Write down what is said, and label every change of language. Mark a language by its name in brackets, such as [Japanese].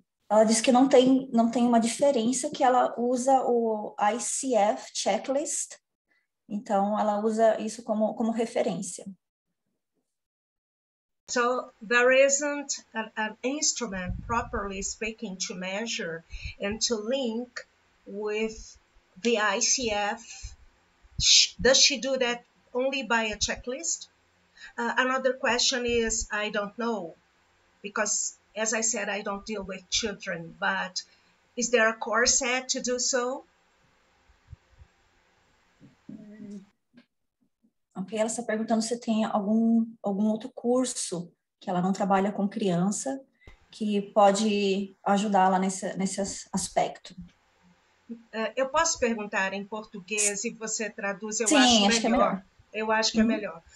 [Portuguese] Ela disse que não tem uma diferença, que ela usa o ICF checklist. Então, ela usa isso como referência. [English] So there isn't an instrument, properly speaking, to measure and to link with the ICF. Does she do that only by a checklist? Another question is, I don't know, because as I said, I don't deal with children, but is there a corset to do so? [Portuguese] Ok, ela está perguntando se tem algum outro curso que ela não trabalha com criança que pode ajudá-la nesse aspecto. Eu posso perguntar em português e você traduz, eu acho melhor. Eu acho que é melhor.